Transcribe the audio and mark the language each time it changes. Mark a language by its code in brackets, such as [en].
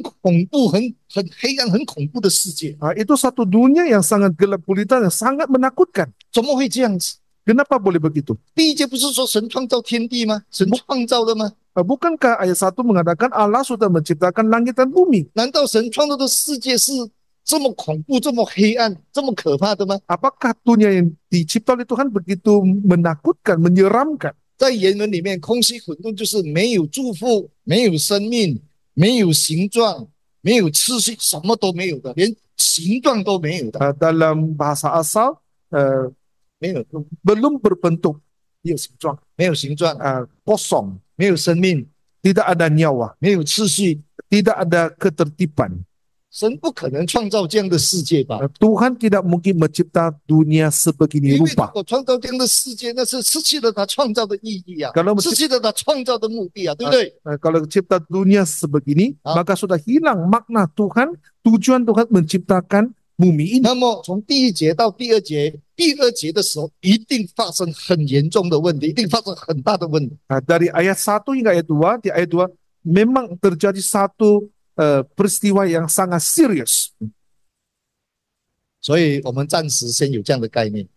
[zh] 那是个很恐怖、很黑暗、很恐怖的世界. [ms] Itu satu dunia yang sangat gelap gulita dan sangat menakutkan. [zh] 怎么会这样子? [ms] Kenapa boleh begitu? [zh] 第一节不是说神创造天地吗? 神创造的吗? [ms] Bukankah ayat 1 mengatakan Allah sudah menciptakan langit dan bumi? [zh] 难道神创造的世界是 这么恐怖、这么黑暗、这么可怕的吗? [ms] Apakah dunia yang dicipta oleh Tuhan begitu menakutkan, menyeramkan? [zh] 在原文里面，空虚混沌就是没有祝福、没有生命、没有形状、没有秩序，什么都没有的，连形状都没有的。 [ms] Dalam bahasa asal, belum berbentuk, [zh] 没有形状，没有形状， [ms] kosong, [zh] 没有生命, [ms] tidak ada nyawa, [zh] 没有秩序, [ms] tidak ada ketertiban. [zh] 神不可能创造这样的世界吧？ [ms] Tuhan tidak mungkin mencipta dunia sebegini rupa. [zh] 因为如果创造这样的世界，那是失去了他创造的意义啊， 失去了他创造的目的啊， 对不对？ [ms] Kalau mencipta dunia sebegini, maka sudah hilang makna Tuhan, tujuan Tuhan menciptakan bumi ini. [zh] 那么从第一节到第二节， 第二节的时候一定发生很严重的问题，一定发生很大的问题。 [ms] Dari ayat 1 hingga ayat 2, di ayat 2 memang terjadi satu peristiwa yang sangat serius. [zh] 所以我们暂时先有这样的概念.